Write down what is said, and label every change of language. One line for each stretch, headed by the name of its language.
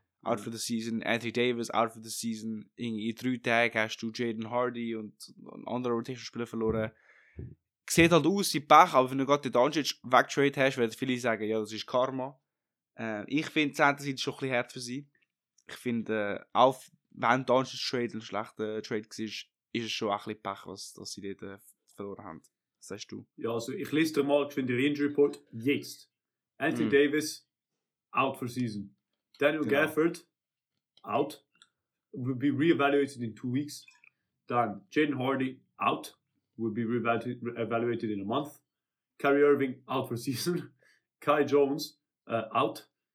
English: Out for the season, Anthony Davis out for the season.
German: In 3 Tagen hast du Jaden Hardy und einen anderen Rotation-Spieler verloren. Sieht halt aus wie Pech, aber wenn du gerade den Doncic wegtrade hast, werden viele sagen, ja, das ist Karma. Ich finde, 10. Seed ist schon ein bisschen hart für sie. Ich finde, auch wenn Doncic-Trade ein schlechter Trade war, ist es schon ein bisschen Pech, was sie dort verloren haben. Was sagst du? Ja, also ich lese dir mal, ich finde den Injury Report jetzt.
English: Anthony Davis out for season. Daniel Gafford, out, will be re-evaluated in 2 weeks. Dann Jaden Hardy, out, will be re-evaluated in a month. Kyrie Irving, out for season. Kai Jones, out.